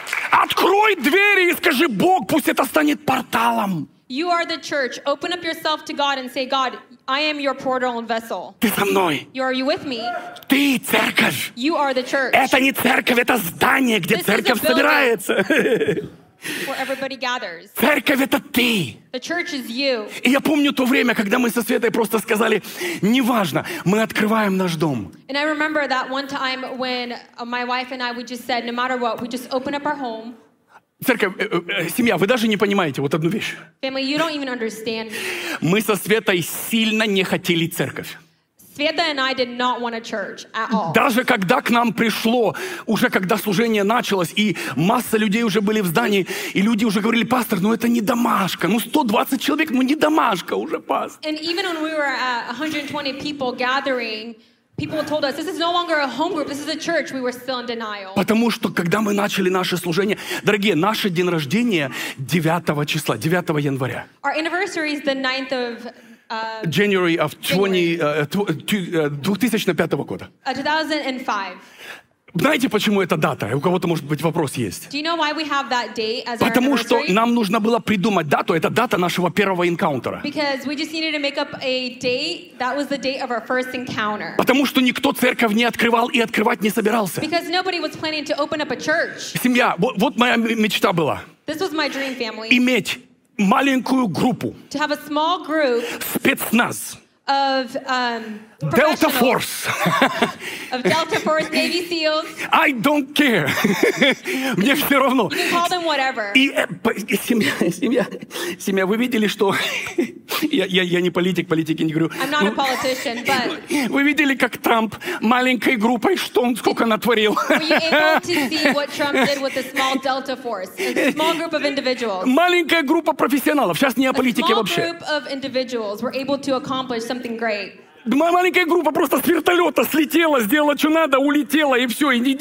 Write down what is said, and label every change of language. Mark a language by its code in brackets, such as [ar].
[ru] Открой двери и скажи, Бог, пусть это станет порталом. [en] You are the church. Open up yourself to God and say, God, I am your portal and vessel. [ru] Ты со мной. [en] You, are you with me? [ru] Ты церковь. [en] You are the church. [ru] Это не церковь, это здание, где [en] this [ru] церковь собирается. [en] Where everybody gathers. [ru] Церковь — это ты. [en] The church is you. [ru] И я помню то время, когда мы со Светой просто сказали, неважно, мы открываем наш дом. [en] And I remember that one time when my wife and I, we just said, no matter what, we just open up our home. [ru] Церковь, семья, вы даже не понимаете вот одну вещь. [en] Family, you don't even understand. [ru] Мы со Светой сильно не хотели церковь. [en] Sveta and I did not want a church at all. [ru] Даже когда к нам пришло, уже когда служение началось, и масса людей уже были в здании, и люди уже говорили, пастор, ну это не домашка. Ну 120 человек, ну не домашка уже, пастор. [en] And even when we were at 120 people gathering, people told us, this is no longer a home group, this is a church. We were still in denial. [ru] Потому что, когда мы начали наше служение, дорогие, наше день рождения 9 числа, 9 января. [en] Our anniversary is the 9th of January of 2005 [ru] года. [en] 2005. [ru] Знаете, почему эта дата? У кого-то, может быть, вопрос есть. [en] Do you know why we have that date as [ru] потому что нам нужно было придумать дату. Это дата нашего первого энкаунтера. [en] Because we just needed to make up a date that was the date of our first encounter. [ru] Потому что никто церковь не открывал и открывать не собирался. [en] Because nobody was planning to open up a church. [ru] Семья, вот моя мечта была. [en] This was my dream, family. [ru] Иметь маленькую группу. [en] To have a small group, [ru] спецназ. [en] of Delta Force. Of Delta Force, Navy SEALs. I don't care. [ru] Мне все равно. [en] You can call them whatever. [ru] И семья, вы видели, что я не политик, политики не говорю. [en] I'm not a politician, but. [ru] Вы видели, как Трамп маленькой группой, что он сколько натворил? [en] Were you able to see what Trump did with a small Delta Force, a small group of individuals? [ru] Маленькая группа профессионалов. Сейчас не о политике вообще. [en] A small group of individuals were able to accomplish something great. [ru] Маленькая группа просто с вертолета слетела, сделала, что надо, улетела, и все.